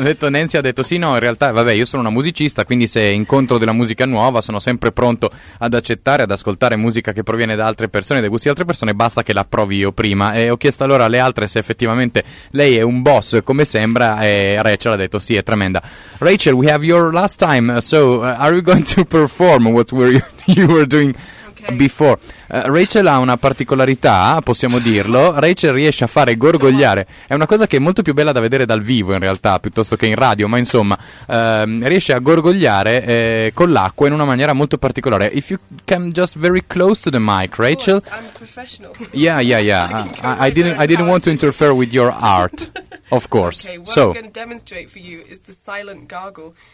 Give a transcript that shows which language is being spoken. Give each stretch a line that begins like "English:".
Italian: Nancy ha detto sì, no, in realtà, vabbè, io sono una musicista, quindi se incontro della musica nuova sono sempre pronto ad accettare, ad ascoltare musica che proviene da altre persone, dai gusti di altre persone, basta che la provi io prima. E ho chiesto allora alle altre se effettivamente lei è un boss, come sembra, e Rachel ha detto sì, è tremenda.
English: Rachel, we have your last time, so are you going to perform what you were doing before?
Italian: Rachel ha una particolarità, possiamo dirlo. Rachel riesce a fare gorgogliare. È una cosa che è molto più bella da vedere dal vivo, in realtà, piuttosto che in radio. Ma insomma, riesce a gorgogliare con l'acqua in una maniera molto particolare.
English: If you come just very close to the mic, Rachel. Of course, I'm professional. Yeah. I didn't want to interfere with your art, of course. Okay, what I'm going to demonstrate for you is the silent gargle.